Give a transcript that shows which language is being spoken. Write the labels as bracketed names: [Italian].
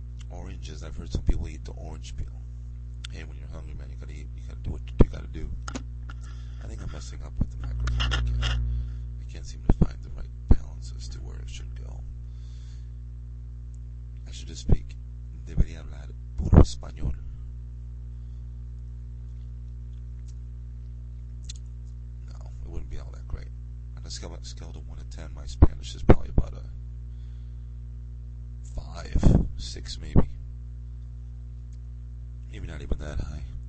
[English] Oranges. I've heard some people eat the orange peel. Hey, when you're hungry, man, you gotta eat. You gotta do what you gotta do. I think I'm messing up with the microphone again. I can't seem to find the right balance as to where it should go. I should just speak. [Spanish] Debería hablar puro español. [English] No, it wouldn't be all that great. On a scale of 1 to 10, my Spanish is probably about a 5, 6 maybe. Maybe not even that high.